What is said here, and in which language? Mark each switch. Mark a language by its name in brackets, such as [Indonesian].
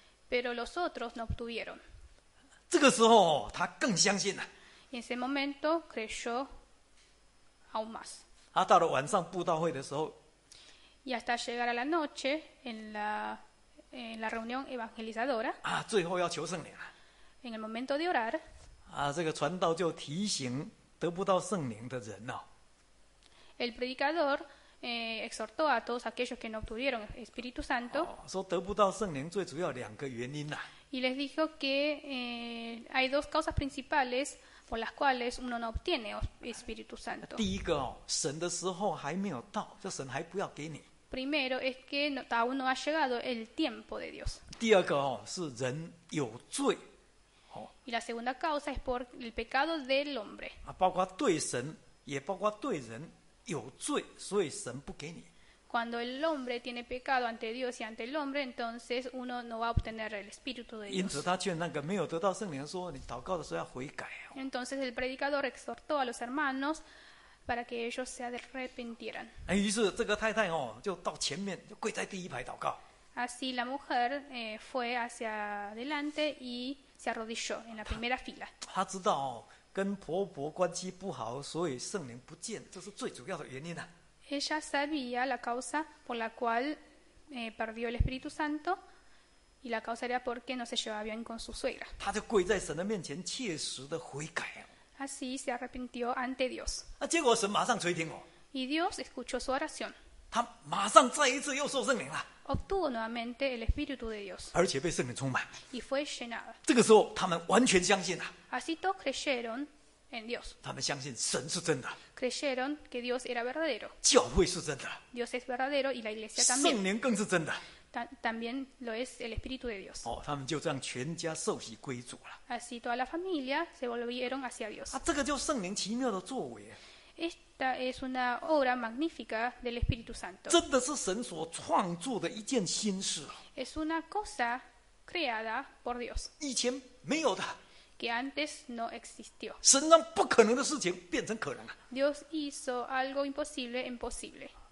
[Spanish] Pero los otros no obtuvieron. [Chinese] 这个时候，他更相信了。 [Spanish] En ese momento, creyó aún más. [Chinese] 啊，到了晚上布道会的时候。 [Spanish] Y hasta llegar a la noche en la reunión evangelizadora. [Chinese] 啊，最后要求圣灵了。 [Spanish] En el momento de orar. [Chinese] 啊，这个传道就提醒得不到圣灵的人哦。 [Spanish] El predicador exhortó a todos aquellos que no obtuvieron Espíritu Santo. [Chinese] 哦，说得不到圣灵最主要两个原因呐。 [Spanish] Y les dijo que hay dos causas principales por las cuales uno no obtiene Espíritu Santo. [Chinese] 第一个哦，神的时候还没有到，就神还不要给你。 [Spanish] Primero es que aún no ha llegado el tiempo de Dios. [Chinese] 第二个哦，是人有罪。哦。 [Spanish] Y la segunda causa es por el pecado del hombre. [Chinese] 啊，包括对神，也包括对人有罪，所以神不给你。 [Spanish] Cuando el hombre tiene pecado ante Dios y ante el hombre, entonces uno no va a obtener el Espíritu de Dios. [Chinese] 因此他劝那个没有得到圣灵说，你祷告的时候要悔改。 [Spanish] Entonces el predicador exhortó a los hermanos para que ellos se arrepintieran. [Chinese] 于是这个太太哦，就到前面，就跪在第一排祷告。 [Spanish] Así la mujer fue hacia adelante y se arrodilló en la primera fila. [Chinese] 她知道哦，跟婆婆关系不好，所以圣灵不见，这是最主要的原因啊。 [Spanish] Ella sabía la causa por la cual perdió el Espíritu Santo y la causa era porque no se llevaba bien con su suegra. [Chinese] 她就跪在神的面前，切实的悔改。 [Spanish] Así se arrepintió ante Dios. [Chinese] 啊，结果神马上垂听哦。 [Spanish] Y Dios escuchó su oración. [Chinese] 她马上再一次又受圣灵了。 [Spanish] Obtuvo nuevamente el Espíritu de Dios. [Chinese] 而且被圣灵充满。 [Spanish] Y fue llenada. [Chinese] 这个时候，他们完全相信了。 [Spanish] Así todos creyeron. En Dios. [Chinese] 他们相信神是真的, [Spanish] creyeron que Dios era verdadero. [Chinese] 教会是真的, [Spanish] Dios es verdadero y la iglesia también. [Chinese] 圣灵更是真的, [Spanish] también lo es el Espíritu de Dios. [Chinese] 哦, 他们就这样全家受洗归主了, [Spanish] así toda la familia se volvieron hacia Dios. [Chinese] 啊, 这个就圣灵奇妙的作为, [Spanish] esta es una obra magnífica del Espíritu Santo. [Chinese] 真的是神所创作的一件新事, [Spanish] es una cosa creada por Dios. [Chinese] 以前没有的, [Spanish] que antes no existió. [Chinese] 神让不可能的事情变成可能啊。 [Spanish] Dios hizo algo imposible en posible.